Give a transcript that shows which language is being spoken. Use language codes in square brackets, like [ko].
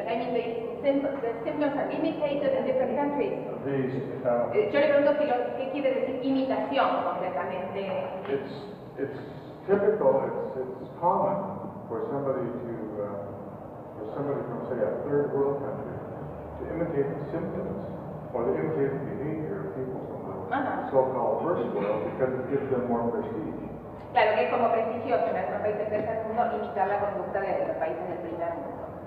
[en] I mean the symptoms are imitated in different countries. These, [es] yo le pregunto si lo que quiere decir imitación completamente. [en] It's typical, it's common for somebody to for somebody from say a third world country to imitate the symptoms or to imitate the behavior of people from the so-called first world because it gives them more prestige. [es] Claro, que es como prestigioso en nuestros países del tercer mundo imitar la conducta de los países del primer mundo.